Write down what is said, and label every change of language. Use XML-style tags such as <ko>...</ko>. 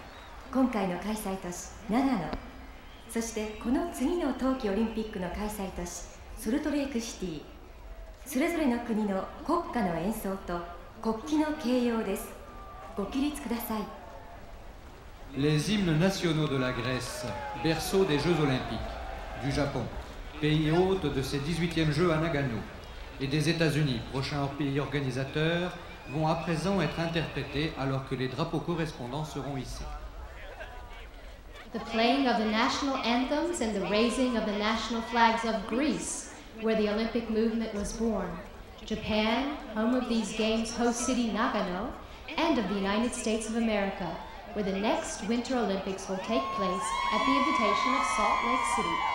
<ja>高森町ルリジ飯田市東の上富農家浜の皆さんでした。大きな拍手をお願いいたします。ありがとうございました。それでは式典に移ります。オリンピックが始まったギリシャ、今回の開催都市長野、 そしてこの次の冬季オリンピックの開催都市、ソルトレークシティ、それぞれの国の国歌の演奏と国旗の掲揚です。ご起立ください。</ja> <fr>Les hymnes nationaux de la Grèce, berceau des Jeux olympiques du Japon, pays hôte de ces 18e Jeux à Nagano, et des États-Unis, prochain pays organisateur, vont à présent être interprétés alors que les drapeaux correspondants seront hissés.</fr> <en>The playing of the national anthems and the raising of the national flags of Greece, where the Olympic movement was born, Japan, home of these games, host city Nagano, and of the United States of America, where the next Winter Olympics will take place at the invitation of Salt Lake City.</en>